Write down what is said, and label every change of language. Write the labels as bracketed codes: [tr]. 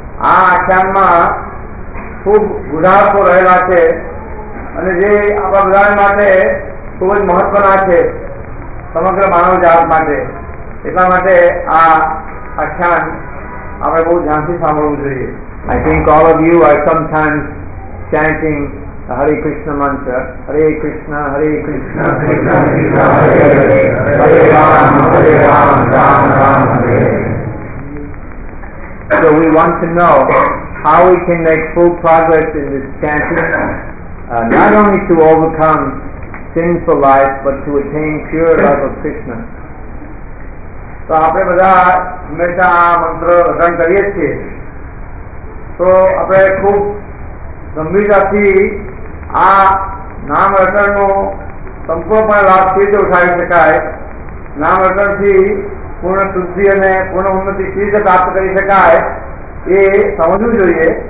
[gu] આ આખ્યાનમાં ખૂબ ગુજરાતો રહેલા છે અને જે આપણા ગુજરાત માટે ખૂબ જ મહત્વના છે સમગ્ર માનવ જાત માટે, એટલા માટે આ આખ્યાન આપણે બહુ ધ્યાનથી સાંભળવું જોઈએ. [en] I think all of you are sometimes chanting the Hare Krishna mantra, Hare Krishna, Hare Krishna, Krishna Krishna, Hare Hare, Hare Ram, Hare Ram, Ram Ram, Hare. So we want to know how we can make full progress in this chanting, not only to overcome sinful life, but to attain pure love of Krishna. [gu] તો આપણે બધા હંમેશા આ મંત્ર રટણ કરીએ છીએ તો આપણે ખૂબ ગંભીરતાથી આ નામ રટણનો સંપૂર્ણપણે લાભ કેવી રીતે ઉઠાવી શકાય, નામ રટણથી પૂર્ણ શુદ્ધિ અને પૂર્ણ ઉન્નતિ કેવી રીતે પ્રાપ્ત કરી શકાય એ સમજવું જોઈએ.